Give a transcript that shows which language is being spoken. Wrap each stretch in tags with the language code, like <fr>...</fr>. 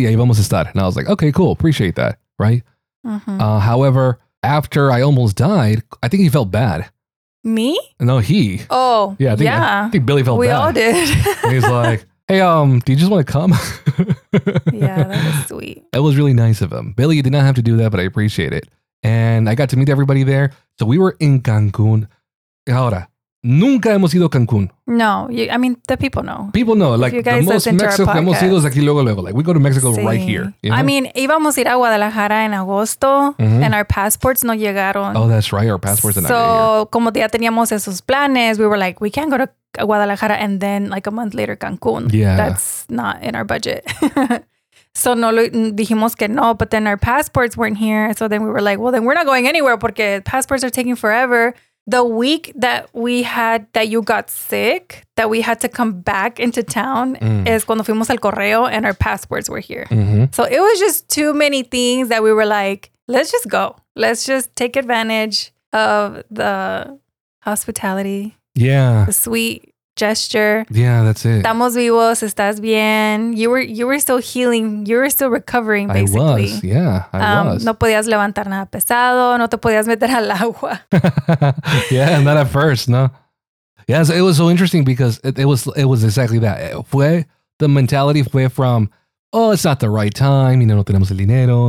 <en>Yeah, you've almost a stud. And I was like, okay, cool. Appreciate that. Right. However, after I almost died, I think he felt bad. Me? No, he. Oh, yeah. I think Billy felt bad. We all did. He's like, hey, do you just want to come? Yeah, that was sweet. That was really nice of him. Billy, you did not have to do that, but I appreciate it. And I got to meet everybody there. So we were in Cancun.</en> <es>Ahora, nunca hemos ido a Cancun.</es> <en>No, the people know. People know. Like, you guys, the most Mexico</en> <es>hemos ido es aquí luego.</es> <en>Like, we go to Mexico right here. You know? I mean,</en> <es>íbamos a ir a Guadalajara en agosto,</es> <en>and our passports</en> <es>no llegaron.</es> <en>Oh, that's right. Our passports are not here. So,</en> <es>como ya teníamos esos planes,</es> <en>we were like, we can't go to Guadalajara and then like a month later Cancun. Yeah, that's not in our budget. So no,</en> <es>dijimos que no,</es> <en>but then our passports weren't here, so then we were like, well, then we're not going anywhere porque passports are taking forever. The week that we had that you got sick, that we had to come back into town is</en> <es>cuando fuimos al correo</es> <en>and our passports were here. So it was just too many things that we were like, let's just go, let's just take advantage of the hospitality. Yeah. The sweet gesture. Yeah, that's it.</en> <es>Estamos vivos, estás bien.</es> <en>You were still healing. You were still recovering, basically. I was, yeah. I was.</en> <es>No podías levantar nada pesado. No te podías meter al agua.</es> <en>Yeah, not at first, no. Yeah, so it was so interesting because it was exactly that. Fue, the mentality fue from, oh, it's not the right time. You know,</en> <es>no tenemos el dinero.</es>